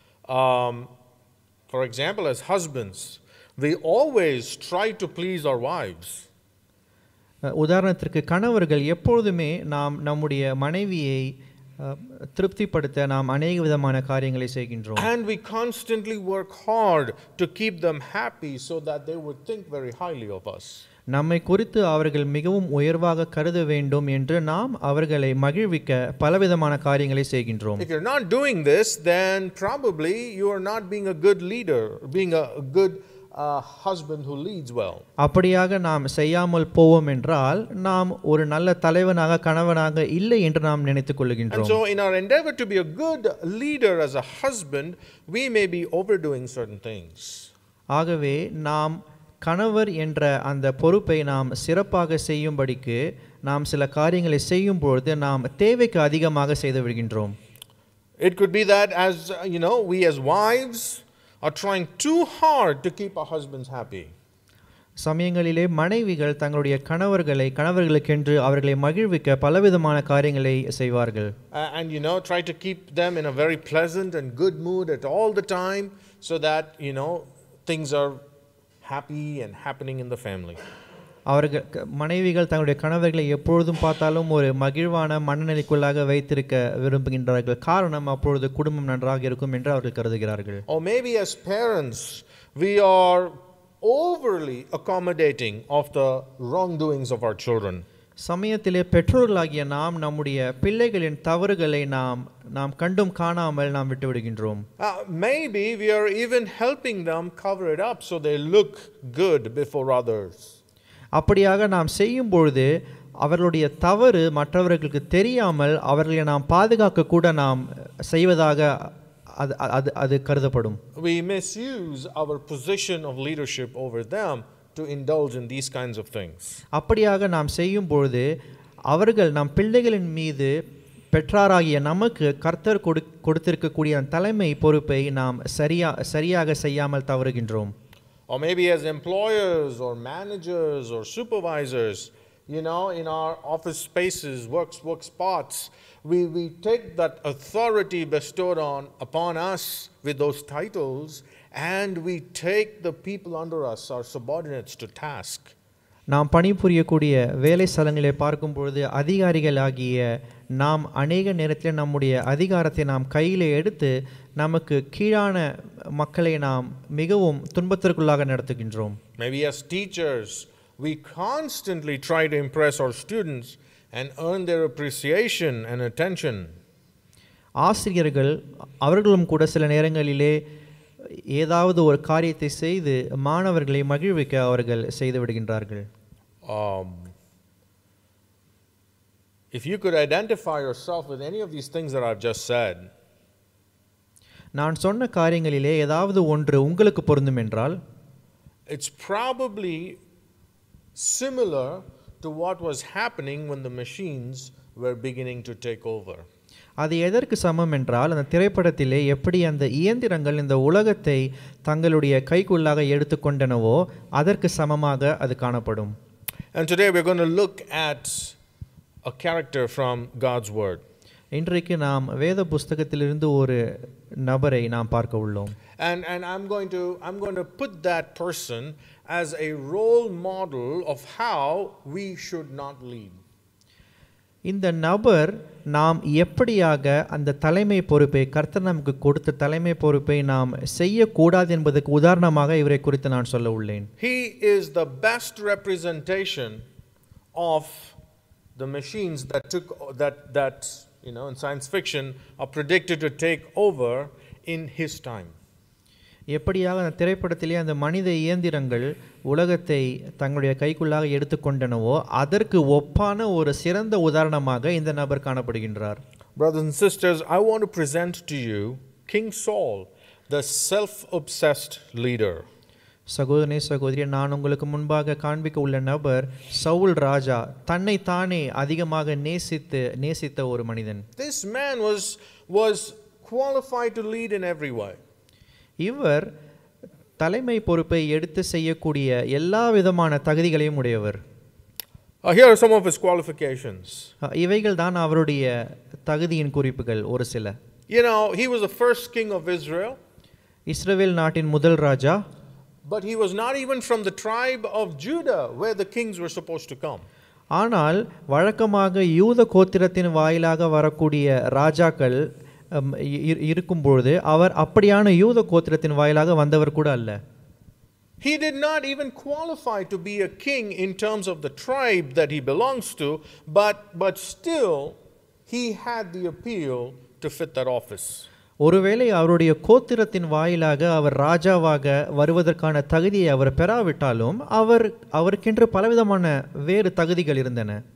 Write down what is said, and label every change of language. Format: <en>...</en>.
<en>for example, as husbands, we always try to please our wives.</en> <ta>உதாரணத்திற்கு கணவர்கள் எப்பொழுதுமே நாம் நம்முடைய மனைவியை திருப்திப்படுத்த நாம் அநேக விதமான காரியங்களை செய்கின்றோம்.</ta> <en>And we constantly work hard to keep them happy so that they would think very highly of us.</en> <ta>நம்மை குறித்து அவர்கள் மிகவும் உயர்வாக கருத வேண்டும் என்று நாம் அவர்களை மகிழ்விக்க பலவிதமான காரியங்களை செய்கின்றோம்.</ta> <en>If you're not doing this, then probably you are not being a good leader, being a good husband who leads well.</en> <ta>அப்படியாக நாம் செய்யாமல் போவோம் என்றால் நாம் ஒரு நல்ல தலைவனாக கணவனாக இல்லை என்று நாம் நினைத்துக் கொள்கின்றோம்.</ta> <en>And so in our endeavor to be a good leader as a husband, we may be overdoing certain things.</en> <ta>ஆகவே நாம் கணவர் என்ற அந்த பொறுப்பை நாம் சிறப்பாக செய்யும்படிக்கு நாம் சில காரியங்களை செய்யும் பொழுது நாம் தேவைக்கு அதிகமாக செய்து விடுகின்றோம்.</ta> <en>It could be that as you know, we as wives are trying too hard to keep our husbands happy.</en> <ta>சமயங்களிலே மனைவிகள் தங்களுடைய கணவர்களுக்கென்று அவர்களை மகிழ்விக்க பலவிதமான காரியங்களை செய்வார்கள்.</ta> <en>And you know, try to keep them in a very pleasant and good mood at all the time so that you know things are happy and happening in the family.</en> <ta>அவர்கள் மனைவிகள் தங்களுடைய கணவர்களை எப்பொழுதும் பார்த்தாலும் ஒரு மகிழ்வான மனநிலைக்குள்ளாக வைத்திருக்க விரும்புகின்றார்கள். காரணம் அப்பொழுது குடும்பம் நன்றாக இருக்கும் என்று அவர்கள் கருதுகிறார்கள்.</ta> <en>Or maybe as parents we are overly accommodating of the wrongdoings of our children.</en> <ta>சமயத்திலே பெற்றோர்களாகிய நாம் நம்முடைய பிள்ளைகளின் தவறுகளை நாம் கண்டும் காணாமல் நாம் விட்டுவிடுகின்றோம்.</ta> <en>Maybe we are even helping them cover it up so they look good before others.</en> <ta>அப்படியாக நாம் செய்யும் பொழுது அவர்களுடைய தவறு மற்றவர்களுக்கு தெரியாமல் அவர்களை நாம் பாதுகாக்க கூட நாம் செய்வதாக அது கருதப்படும்.</ta> <en>We misuse our position of leadership over them to indulge in these kinds of things.</en> <ta>அப்படியாக நாம் செய்யும் பொழுது அவர்கள் நம் பிள்ளைகளின் மீது பெற்றாராகிய நமக்கு கர்த்தர் கொடுத்திருக்கக்கூடிய தலைமை பொறுப்பை நாம் சரியாக செய்யாமல் தவறுகின்றோம்.</ta> <en>Or maybe as employers or managers or supervisors, you know, in our office spaces, work spots, we take that authority bestowed upon us with those titles and we take the people under us, our subordinates, to task.</en> <ta>நாம் பணிபுரியக்கூடிய வேலை ஸ்தலங்களை பார்க்கும் பொழுது அதிகாரிகளாகிய நாம் அநேக நேரத்தில் நம்முடைய அதிகாரத்தை நாம் கையில் எடுத்து நமக்கு கீழான மக்களை நாம் மிகவும் துன்பத்திற்குள்ளாக நடத்துகின்றோம்.</ta> <en>Maybe as teachers, we constantly try to impress our students and earn their appreciation and attention.</en> <ta>ஆசிரியர்கள் அவர்களும் கூட சில நேரங்களிலே ஏதாவது ஒரு காரியத்தை செய்து மாணவர்களை மகிழ்விக்க அவர்கள் செய்து விடுகின்றார்கள்.</ta> <en>If you could identify yourself with any of these things that I've just said,</en> <ta>நான் சொன்ன காரியங்களிலே ஏதாவது ஒன்று உங்களுக்கு பொருந்தும் என்றால்,</ta> <en>it's probably similar to what was happening when the machines were beginning to take over.</en> <ta>அது எதற்கு சமம் என்றால், அந்த திரைப்படத்திலே எப்படி அந்த இயந்திரங்கள் இந்த உலகத்தை தங்களுடைய கைக்குள்ளாக எடுத்துக்கொண்டனவோ அதற்கு சமமாக அது காணப்படும்.</ta> <en>And today we're going to look at a character from God's word.</en> <ta>இன்றைக்கு நாம் வேத புத்தகத்திலிருந்து ஒரு நபரை நாம் பார்க்க உள்ளோம்.</ta> <en>And I'm going to put that person as a role model of how we should not lead.</en> <ta>இந்த நபர் நாம் எப்படியாக அந்த தலைமை பொறுப்பை கர்த்தர் நமக்கு கொடுத்த தலைமை பொறுப்பை நாம் செய்யக்கூடாது என்பதற்கு உதாரணமாக இவரை குறித்து நான் சொல்ல உள்ளேன்.</ta> <en>He is the best representation of the machines that took that you know in science fiction are predicted to take over in his time.</en> <ta>எப்படியாக அந்த திரைப்படத்திலே அந்த மனித இயந்திரங்கள் உலகத்தை தங்களுடைய கைக்குள்ளாக எடுத்துக்கொண்டனவோ அதற்கு ஒப்பான ஒரு சிறந்த உதாரணமாக இந்த நபர் காணப்படுகின்றார்.</ta> <en>Brothers and sisters, I want to present to you King Saul, the self-obsessed leader.</en> <ta>சகோதரனே சகோதரியே, நான் உங்களுக்கு முன்பாக காண்பிக்க உள்ள நபர் சவுல் ராஜா, தன்னை தானே அதிகமாக நேசித்த ஒரு மனிதன்.</ta> <en>This man was qualified to lead in every way.</en> <ta>இவர் தலைமை பொறுப்பை எடுத்து செய்யக்கூடிய எல்லா விதமான தகுதிகளையும் உடையவர்.</ta> <en>Here are some of his qualifications.</en> <ta>இவைகள் தான் அவருடைய தகுதியின் குறிப்புகள் ஒரு சில.</ta> <en>You know, he was the first king of Israel.</en> <ta>இஸ்ரவேல் நாட்டின் முதல் ராஜா.</ta> <en>But he was not even from the tribe of Judah where the kings were supposed to come.</en> <ta>ஆனால் வழக்கமாக யூத கோத்திரத்தின் வாயிலாக வரக்கூடிய ராஜாக்கள் இருக்கும் பொழுது அவர் அப்படியான யூத கோத்திரத்தின் வாயிலாக வந்தவர் கூட அல்ல.</ta> <en>He did not even qualify to be a king in terms of the tribe that he belongs to, but still he had the appeal to fit that office.</en> <ta>ஒருவேளை அவருடைய கோத்திரத்தின் வாயிலாக அவர் ராஜாவாக வருவதற்கான தகுதியை அவர் பெறாவிட்டாலும் அவருக்கென்று பலவிதமான வேறு தகுதிகள் இருந்தன.</ta>